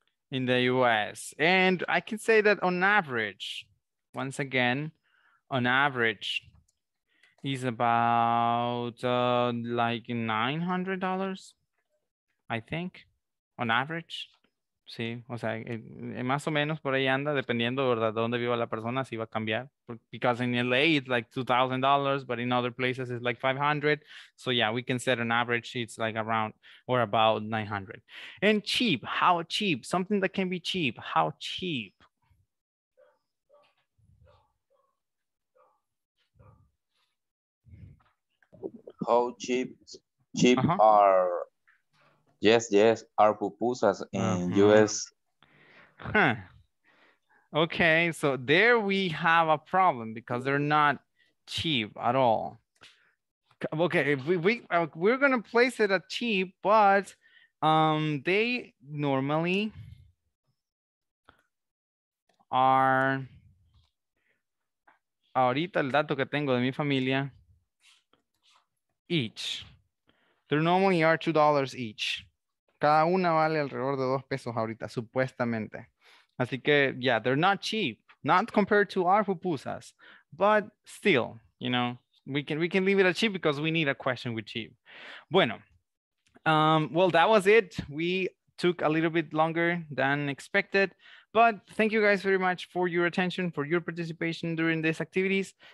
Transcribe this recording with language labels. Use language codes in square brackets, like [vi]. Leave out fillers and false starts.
[en] In the US. And I can say that on average, once again, on average, is about like $900, I think, on average. [es] Sí, o sea, más o menos por ahí anda, dependiendo, ¿verdad?, dónde viva la persona, si va a cambiar. [en] Because in LA, it's like $2,000, but in other places, it's like $500. So yeah, we can set an average, it's like around or about $900. And cheap, how cheap? Something that can be cheap, how cheap? How cheap uh-huh. are, yes, are pupusas in uh-huh. US? Huh. Okay, so there we have a problem because they're not cheap at all. Okay, we're going to place it at cheap, but they normally are, [es] ahorita el dato que tengo de mi familia, [en] each. They're normally are $2 each. [es] Cada una vale alrededor de dos pesos ahorita, supuestamente. Así que, [en] yeah, they're not cheap. Not compared to our pupusas. But still, you know, we can leave it at cheap because we need a question with cheap. Bueno. Well, that was it. We took a little bit longer than expected. But thank you guys very much for your attention, for your participation during these activities.